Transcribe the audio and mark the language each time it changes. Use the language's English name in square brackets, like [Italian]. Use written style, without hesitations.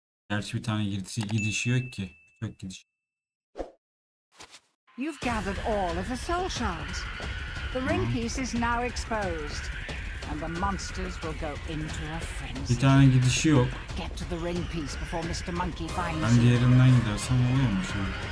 [Turkish] Gerçi bir tane gidişi yok ki. Çok gidiş. [English] You've gathered all of the soul shards. The ring piece is now exposed, and the monsters will go into a frenzy. [Turkish] Bir tane gidişi yok. [English] Get to the ring piece before Mr. Monkey finds you. [Turkish] Ben diğerinden gidersem oluyor mu şimdi?